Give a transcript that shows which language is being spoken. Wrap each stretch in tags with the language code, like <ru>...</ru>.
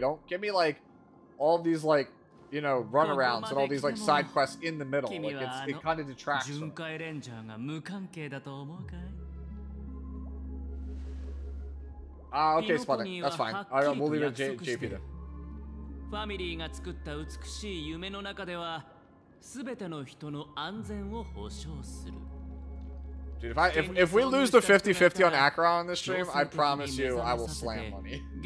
<en>Don't give me, like, all these, like, you know, runarounds and all these, like, side quests in the middle. Like, it kind of detracts them. Okay, Sputnik. That's fine. All right, we'll leave it to JP then.</en> <ja>ファミリーが作った美しい夢の中では、全ての人の安全を保障する。</ja> <en>Dude, if we lose the 50-50 on Acheron on this stream, I promise you, I will slam money.</en>